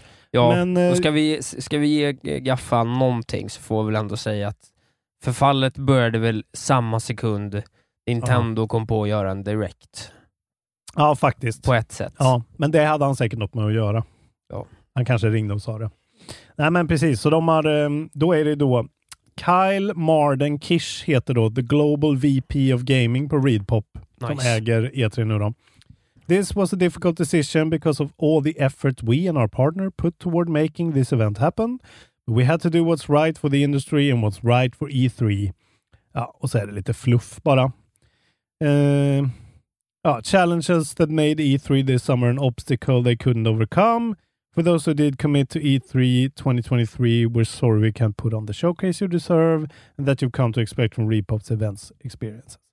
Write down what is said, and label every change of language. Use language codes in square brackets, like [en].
[sv] Ja, men, då ska vi ge Gaffa någonting, så får vi väl ändå säga att förfallet började väl samma sekund Nintendo kom på att göra en direct. Ja, faktiskt. På ett sätt. Ja, men det hade han säkert något med att göra. Ja. Han kanske ringde och sa det. Nej, men precis. Så de har, då är det då Kyle Marden Kish heter då The Global VP of Gaming på Readpop. Nice. Som äger E3 nu då. [en] This was a difficult decision because of all the effort we and our partner put toward making this event happen. We had to do what's right for the industry and what's right for E3. [sv] Ja, och så är det lite fluff bara. [en] Ja, challenges that made E3 this summer an obstacle they couldn't overcome. For those who did commit to E3 2023, we're sorry we can't put on the showcase you deserve and that you've come to expect from Readpop's events experience.